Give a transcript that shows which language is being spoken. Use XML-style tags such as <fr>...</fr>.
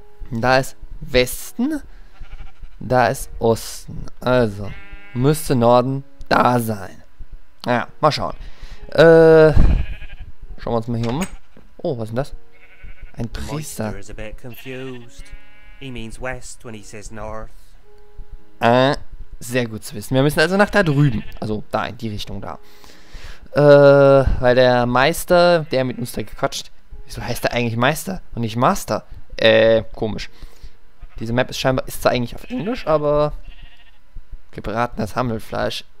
<de>Da ist Westen, da ist Osten. Also, müsste Norden da sein. Naja, mal schauen. Schauen wir uns mal hier um. Oh, was ist denn das? Ein Priester.</de> <en>Is a bit confused. He means west when he says north.</en> <de>Sehr gut zu wissen. Wir müssen also nach da drüben. Also, da in die Richtung da. Weil der Meister, der mit uns da gequatscht. Wieso heißt er eigentlich Meister und nicht Master? Komisch. Diese Map ist scheinbar, ist zwar eigentlich auf Englisch, aber gebratenes Hammelfleisch.</de>